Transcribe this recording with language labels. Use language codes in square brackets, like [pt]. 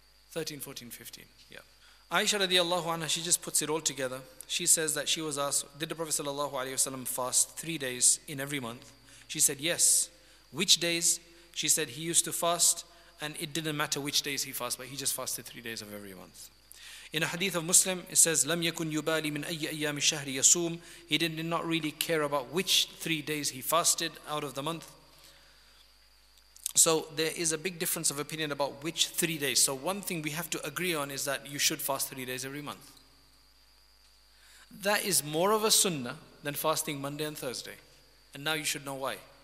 [en] 13, 14, 15, yeah. Aisha radiallahu anha, she just puts it all together. She says that she was asked, did the Prophet sallallahu alayhi wasallam fast 3 days in every month? She said, yes. Which days? She said, he used to fast, and it didn't matter which days he fasted, but he just fasted 3 days of every month. In a hadith of Muslim, it says, [ar] لَمْ يَكُنْ يُبَالِي مِنْ أَيَّ أَيَّامِ الشَّهْرِ يَسُومُ. [en] He did not really care about which 3 days he fasted out of the month. So there is a big difference of opinion about which 3 days. So one thing we have to agree on is that you should fast 3 days every month. That is more of a sunnah than fasting Monday and Thursday. And now you should know why.